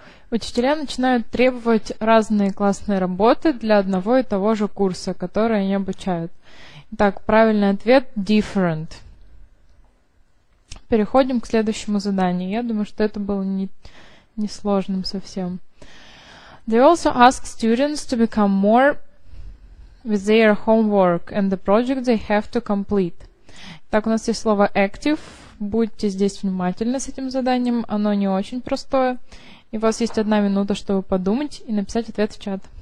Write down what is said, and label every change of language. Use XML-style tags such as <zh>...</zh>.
<ru>Учителя начинают требовать разные классные работы для одного и того же курса, который они обучают. Итак, правильный ответ – different. Переходим к следующему заданию. Я думаю, что это было не сложным совсем.</ru> <en>They also ask students to become more with their homework and the project they have to complete.</en> <ru>Так, у нас есть слово active. Будьте здесь внимательны с этим заданием. Оно не очень простое. И у вас есть 1 минута, чтобы подумать и написать ответ в чат.</ru>